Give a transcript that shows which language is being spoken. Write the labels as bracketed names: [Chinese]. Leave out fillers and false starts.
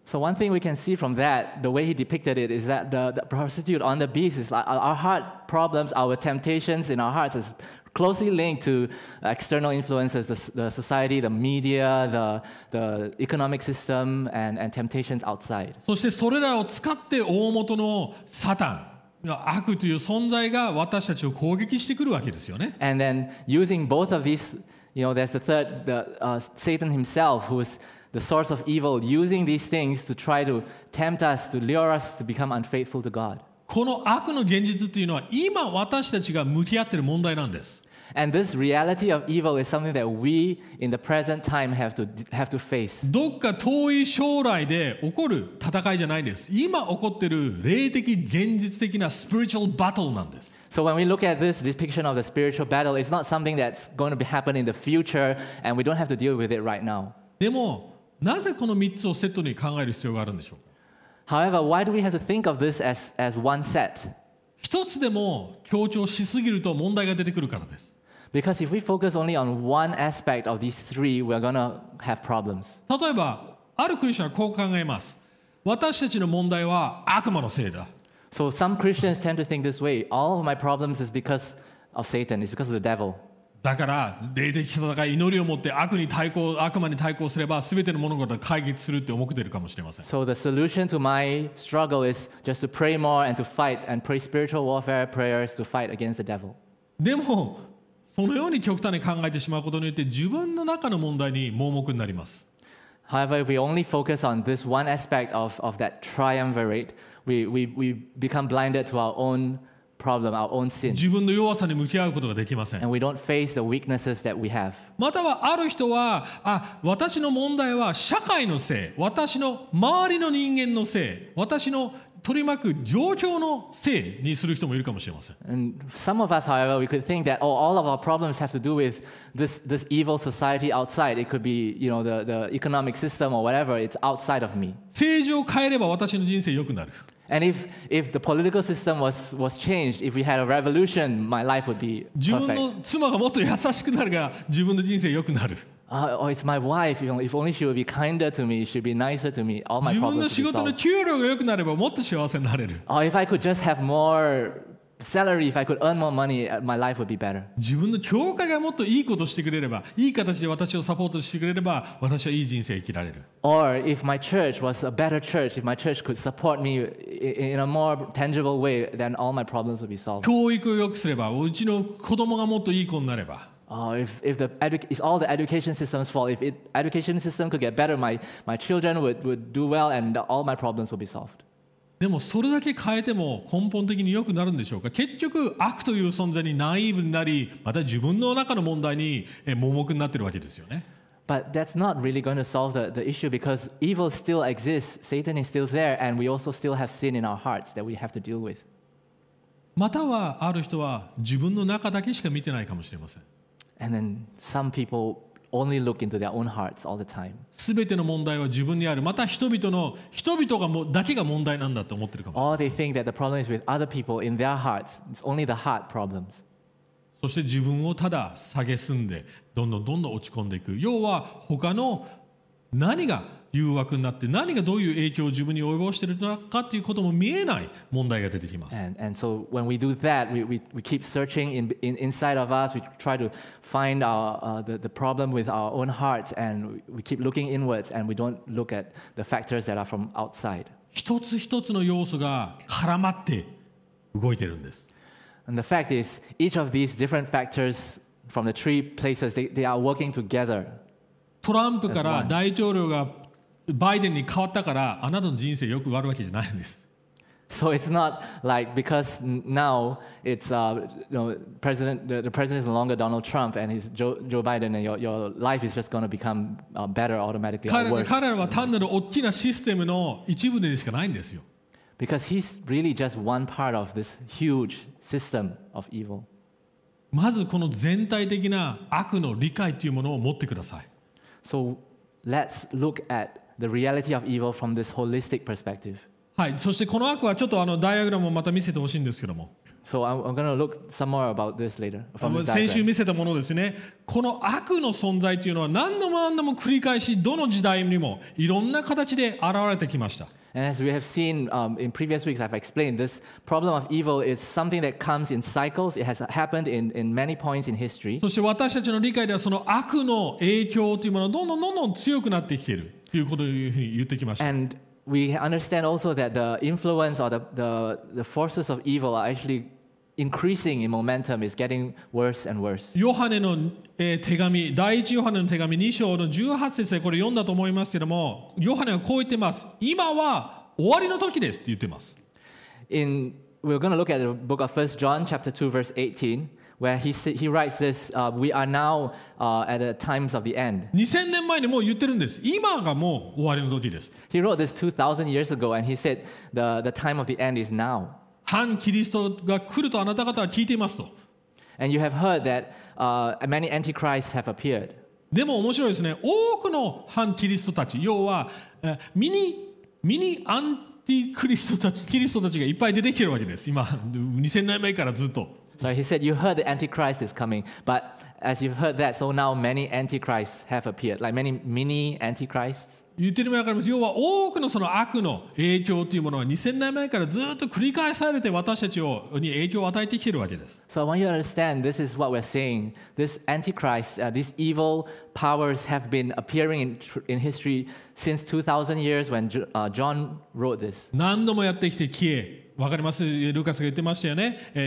[English] So one thing we can see from that, the way he depicted it, is that the prostitute on the beast is like our heart problems, our temptations in our hearts is closely linked to external influences, the society, the media, the economic system, and temptations outside. [Japanese] そしてそれらを使って大元のサタン。悪という存在が私たちを攻撃してくるわけですよね。 [English] And then using both of these, you know, there's the third, Satan himself, who is the source of evil, using these things to try to tempt us, to lure us to become unfaithful to God. [Japanese] この悪の現実というのは今私たちが向き合っている問題なんです。 [English] And this reality of evil is something that we, in the present time, have to face. [Japanese] どっか遠い将来で起こる戦いじゃないんです。今起こってる霊的現実的な [English] spiritual battle [Japanese] なんです。 [English] So when we look at this depiction of the spiritual battle, it's not something that's going to be happening in the future, and we don't have to deal with it right now. [Japanese] でもなぜこの3つをセットに考える必要があるんでしょう。 [English] However, why do we have to think of this as one set? [Japanese] 一つでも強調しすぎると問題が出てくるからです。 [English] Because if we focus only on one aspect of these three, we're going to have problems. [Japanese] 例えば、あるクリスチャンはこう考えます。私たちの問題は悪魔のせいだ。 [English] So some Christians tend to think this way. All of my problems is because of Satan. It's because of the devil. [Japanese] だから、霊的戦い、祈りを持って悪魔に対抗すれば、すべての物事は解決するって思っているかもしれません。 [English] So the solution to my struggle is just to pray more and to fight and pray spiritual warfare prayers to fight against the devil. [Japanese] でも、そのように極端に考えてしまうことによって自分の中の問題に盲目になります。 [English] However, if we only focus on this one aspect of that triumvirate, we become blinded to our own problem, our own sin. [Japanese] 自分の弱さに向き合うことができません。 [English] And we don't face the weaknesses that we have. [Japanese] またはある人は、あ、私の問題は社会のせい、私の周りの人間のせい、私の取り巻く状況のせいにする人もいるかもしれません。 [English] And some of us, however, we could think that all of our problems have to do with this evil society outside. It could be, you know, the economic system or whatever. It's outside of me. [Japanese] 政治を変えれば私の人生良くなる。 [English] And if the political system was changed, if we had a revolution, my life would be perfect. [Japanese] 自分の妻がもっと優しくなるが自分の人生良くなる。 [English] Oh, it's my wife. If only she would be kinder to me, she'd be nicer to me. All my problems. [Japanese] 自分の仕事の給料が良くなればもっと幸せになれる。 [English] Oh, if I could just have more salary, if I could earn more money, my life would be better. [Japanese] 自分の教会がもっといいことしてくれれば、いい形で私をサポートしてくれれば、私はいい人生生きられる。 [English] Or if my church was a better church, if my church could support me in a more tangible way, then all my problems would be solved. [Japanese] 教育を良くすれば、うちの子供がもっといい子になれば。 [English] If all the education system's fault, if the education system could get better, my children would do well and all my problems would be solved. [Japanese] でもそれだけ変えても根本的に良くなるんでしょうか。結局悪という存在にナイーブになり、また自分の中の問題に盲目になってるわけですよね。 [English] But that's not really going to solve the issue because evil still exists. Satan is still there, and we also still have sin in our hearts that we have to deal with. [Japanese] またはある人は自分の中だけしか見てないかもしれません。 [English] And then some people only look into their own hearts all the time. [Japanese] すべての問題は自分にある。また人々がもだけが問題なんだと思ってるかもしれません。 [English] Or they think that the problem is with other people in their hearts. It's only the heart problems. [Japanese] そして自分をただ蔑んでどんどんどんどん落ち込んでいく。要は他の何が誘惑になって、何がどういう影響を自分に及ぼしているのかということも見えない問題が出てきます。 [English] and so when we do that, we keep searching inside of us. We try to find the problem with our own hearts, and we keep looking inwards, and we don't look at the factors that are from outside. [Japanese] 一つ一つの要素が絡まって動いているんです。 [English] And the fact is, each of these different factors from the three places, they are working together. [Japanese] トランプから大統領がバイデンに変わったからあなたの人生よく悪いわけじゃないんです。 [English] So it's not like because now it's the president is no longer Donald Trump and he's Joe Biden, and your life is just going to become better automatically or worse. [Japanese] 彼らは単なる大きなシステムの一部でしかないんですよ。 [English] Because he's really just one part of this huge system of evil. [Japanese] まずこの全体的な悪の理解というものを持ってください。 [English] So let's look at the reality of evil from this holistic perspective. [Japanese] はい、そしてこの悪はちょっとダイアグラムをまた見せてほしいんですけども。 [English] So I'm going to look some more about this later. From [Japanese] 先週見せたものですね。この悪の存在というのは何度も何度も繰り返し、どの時代にもいろんな形で現れてきました。 [English] And as we have seen in previous weeks, I've explained this problem of evil is something that comes in cycles. It has happened in many points in history. [Japanese] そして私たちの理解ではその悪の影響というものがどんどんどんどん強くなってきているということを言ってきました。 [English] And we understand also that the influence or the forces of evil are actually increasing in momentum. It's getting worse and worse. [Japanese] ヨハネの手紙、第一ヨハネの手紙2章の18節でこれ読んだと思いますけども、ヨハネはこう言ってます。今は終わりの時ですって言ってます。 [English] We're going to look at the book of 1 John chapter 2 verse 18 where he writes this, we are now at the times of the end. [Japanese] 2000年前にもう言ってるんです。今がもう終わりの時です。 [English] He wrote this 2000 years ago and he said the time of the end is now. [Japanese] 反キリストが来るとあなた方は聞いていますと。 [English] And you have heard that many antichrists have appeared. [Japanese] でも面白いですね。多くの反キリストたち、要はミニアンティクリストたち、キリストたちがいっぱい出てきてるわけです。今、2000年前からずっと。 [English] So he said, you heard the antichrist is coming, but as you've heard that, so now many antichrists have appeared, like many mini antichrists. [Japanese] 言ってるのが分かります。要は多くのその悪の影響というものは2000年前からずっと繰り返されて私たちに影響を与えてきているわけです。 [English] So I want you to understand, this is what we're saying. This antichrist, these evil powers have been appearing in history since 2000 years when John wrote this. [Japanese] 何度もやってきて消え。分かります。ルカスが言ってましたよね。